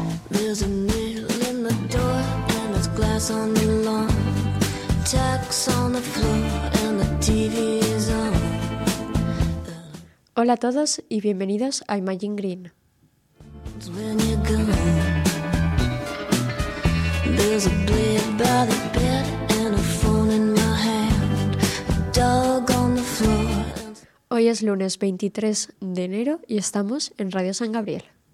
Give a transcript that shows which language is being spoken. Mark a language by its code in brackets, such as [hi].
[en] There's a nail in the door, and there's glass on the lawn. Tacks on the floor, and the TV is on. [es] Hola a todos y bienvenidos a Imagine Green. [en] When you're gone. There's a blade by the bed and a phone in my hand. Dog on the floor. [es] Hoy es lunes 23 de enero y estamos en Radio San Gabriel.